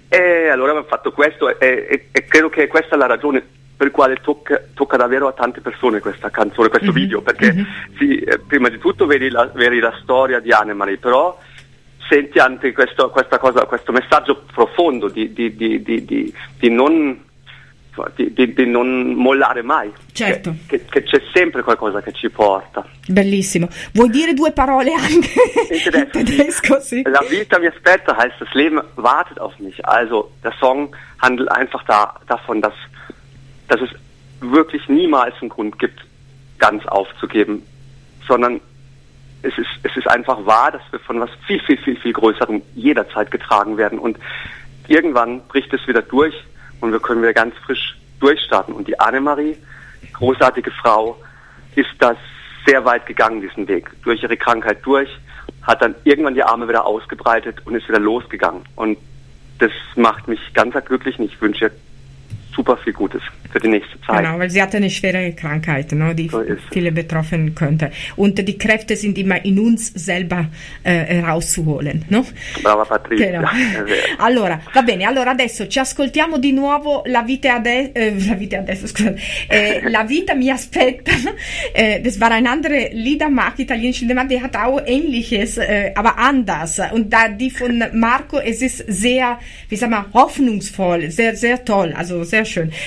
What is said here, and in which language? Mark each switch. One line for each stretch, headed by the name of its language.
Italian: E allora abbiamo fatto questo, e credo che questa è la ragione per quale tocca davvero a tante persone questa canzone, questo video, perché sì, prima di tutto vedi la storia di Anne-Marie, però senti anche questa cosa, questo messaggio profondo di non mollare mai. Certo. Che c'è sempre qualcosa che ci porta. Bellissimo. Vuoi dire due parole anche in tedesco? Sì.
German: La vita mi aspetta, heißt das Leben wartet auf mich. Also, der Song handelt einfach davon, dass es wirklich niemals einen Grund gibt, ganz aufzugeben, sondern es ist einfach wahr, dass wir von was viel, viel, viel, viel Größerem jederzeit getragen werden, und irgendwann bricht es wieder durch und wir können wieder ganz frisch durchstarten. Und die Anne-Marie, großartige Frau, ist da sehr weit gegangen, diesen Weg, durch ihre Krankheit durch, hat dann irgendwann die Arme wieder ausgebreitet und ist wieder losgegangen. Und das macht mich ganz glücklich, und ich wünsche super viel Gutes für die nächste Zeit. Genau, weil sie hatte eine schwere Krankheit, no, die viele betroffen könnte. Und die Kräfte sind immer in uns selber rauszuholen.
Italian: No? Brava Patrizia. Genau. Allora, va bene, allora adesso ci ascoltiamo di nuovo La vita mi aspetta.
German: Das war ein andere Lieder, ma italienisch, ma die hat auch ähnliches, aber anders. Und da die von Marco, es ist sehr, wie sagen wir, hoffnungsvoll, sehr, sehr toll, also sehr schön.